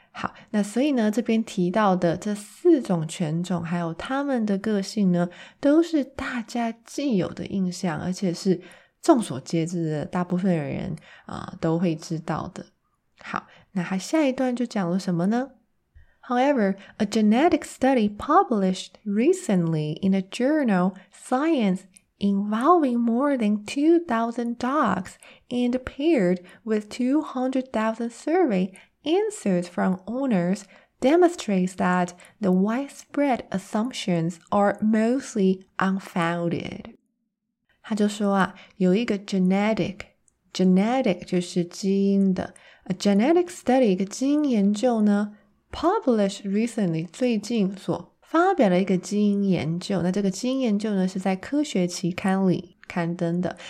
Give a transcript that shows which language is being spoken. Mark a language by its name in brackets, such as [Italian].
[Chinese] 好，那所以呢这边提到的这四种犬种还有他们的个性呢都是大家既有的印象，而且是众所皆知的，大部分人都会知道的。好，那他下一段就讲了什么呢？ [English] However, a genetic study published recently in a journal Science involving more than 2,000 dogs and paired with 200,000 survey answers from owners demonstrates that the widespread assumptions are mostly unfounded. [Chinese] 他就说啊，有一个 genetic 就是基因的 [English] a genetic study [Chinese] 一个基因研究呢 [English] published recently [Chinese] 最近所发表的一个基因研究，那这个基因研究呢是在科学期刊里刊登的。